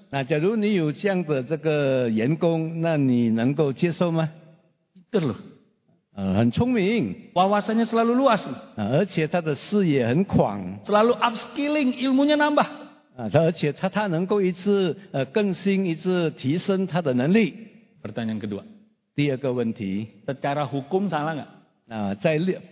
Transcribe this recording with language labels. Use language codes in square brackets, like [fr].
[id] Nah, jadi ini yang berjaga [zh] 员工，那你能够接受吗？ [id] Pinter loh. [zh] 很聪明. [id] Wawasannya selalu luas. [zh] 而且他的视野很广. [id] Selalu upskilling, ilmunya nambah. [zh] 而且他能够一直更新，一直提升他的能力. [id] Pertanyaan kedua. [zh] 第二个问题. [id] Secara hukum salah nggak?